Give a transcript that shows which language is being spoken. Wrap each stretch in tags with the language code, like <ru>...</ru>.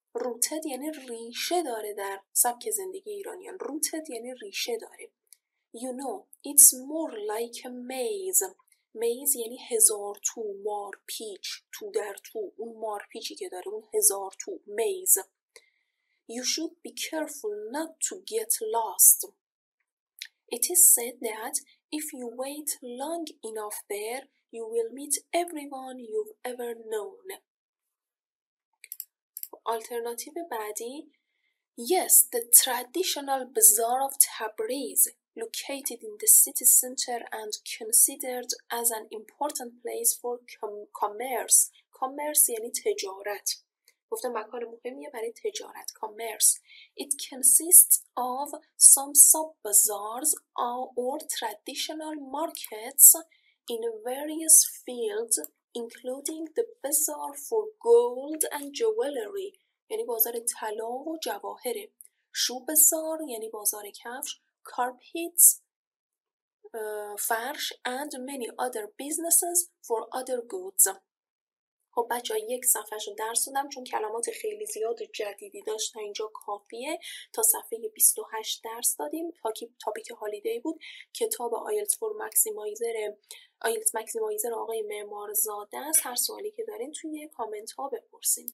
<fa>Rooted یعنی ریشه داره در سبک زندگی ایرانیان.</fa> <en>Rooted</en> <fa>یعنی ریشه داره.</fa> <en>You know, it's more like a maze.</en> <fa>میز یعنی هزار تو، مار پیچ، تو در تو، اون مار پیچی که داره، اون هزار تو، میز.</fa> <en>You should be careful not to get lost. It is said that if you wait long enough there, you will meet everyone you've ever known. Alternative بعدی. Yes, the traditional bazaar of Tabriz, located in the city center and considered as an important place for commerce.</en> <fa>Commerce یعنی تجارت. گفتم مکان مهمیه برای تجارت.</fa> <en>Commerce. It consists of some sub-bazaars or traditional markets in various fields, including the bazaar for gold and jewelry.</en> <fa>یعنی بازار طلا و جواهره. شو بازار یعنی بازار کفش.</fa> <en>Carpets, فرش and many other businesses for other goods.</en> <fa>خب بچه ها یک صفحه رو درس دادم چون کلمات خیلی زیاد و جدیدی داشت تا اینجا کافیه. تا صفحه 28 درس دادیم. تاپیک هالیدی بود. کتاب آیلتس ماکسیمایزر آقای معمارزاده است. هر سوالی که دارین توی کامنت ها بپرسین.</fa>